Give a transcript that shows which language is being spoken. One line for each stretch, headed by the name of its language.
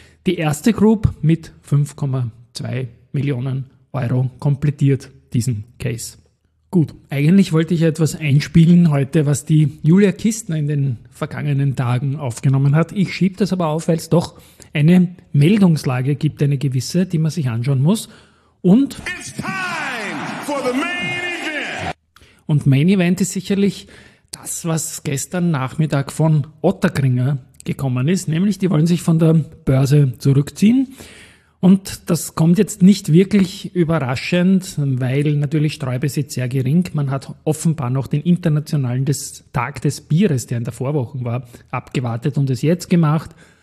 German: Die erste Group mit 5,2 Millionen Euro komplettiert diesen Case. Gut, eigentlich wollte ich etwas einspielen heute, was die Julia Kistner in den vergangenen Tagen aufgenommen hat. Ich schiebe das aber auf, weil es doch eine Meldungslage gibt, eine gewisse, die man sich anschauen muss.
English: Und it's time for the Main Event!
German: Und Main Event ist sicherlich das, was gestern Nachmittag von Otterkringer gekommen ist, nämlich die wollen sich von der Börse zurückziehen. Und das kommt jetzt nicht wirklich überraschend, weil natürlich Streubesitz sehr gering. Man hat offenbar noch den internationalen Tag des Bieres, der in der Vorwoche war, abgewartet und es jetzt gemacht.